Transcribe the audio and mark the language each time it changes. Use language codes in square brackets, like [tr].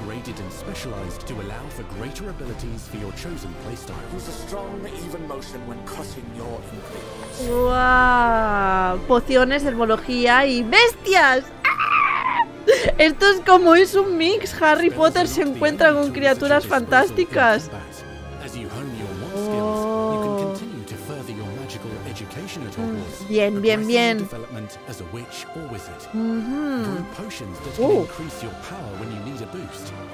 [en] And specialized to allow for greater abilities for your chosen playstyle. Use a strong, even motion when crossing your increments. Wow. [es] Pociones, herbología y bestias. ¡Ah! Esto es como es un mix. Harry Potter se encuentra con criaturas fantásticas. [en] As you hone your monk skills, you can continue to further your magical education at Hogwarts. [es] Bien, bien, bien. [en] Development as a witch or wizard. Brew potions that can increase your power when you need a boost.